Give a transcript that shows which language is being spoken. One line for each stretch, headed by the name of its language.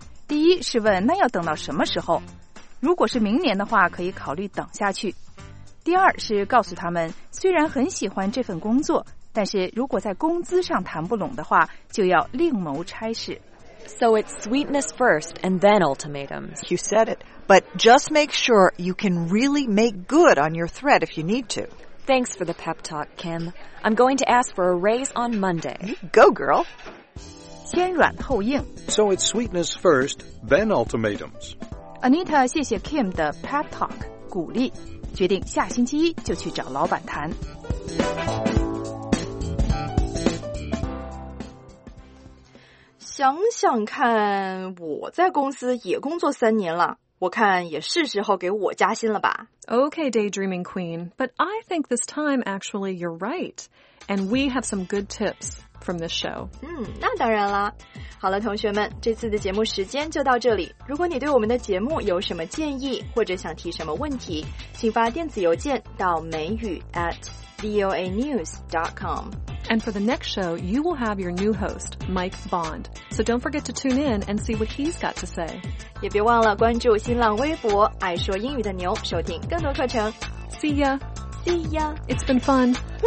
Chinese: 第一是问那要等到什么时候，如果是明年的话可以考虑等下去。第二是告诉他们虽然很喜欢这份工作，但是如果在工资上谈不拢的话就要另谋差事。
English: So it's sweetness first and then ultimatums. You said it, but just make sure you can really make good on your threat if you need to. Thanks for the pep talk, Kim. I'm going to ask for a raise on Monday. Go girl.
Chinese: 先软后硬。
English: So it's sweetness first, then ultimatums.
Chinese: Anita 谢谢 Kim 的 pep talk, 鼓励，决定下星期一就去找老板谈。想想看，我在公司也工作三年了，我看也是时候给我加薪了吧。
English: Okay, daydreaming queen, but I think this time actually you're right, and we have some good tips. From this show.
Chinese: 那当然啦。好了，同学们，这次的节目时间就到这里。如果你对我们的节目有什么建议，或者想提什么问题，请发电子邮件到美语@voanews.com.
English: And for the next show, you will have your new host, Mike Bond. So don't forget to tune in and see what he's got to say.
Chinese: 也别忘了关注新浪微博“爱说英语的牛”，收听更多课程。
English: See ya. See ya. It's been fun.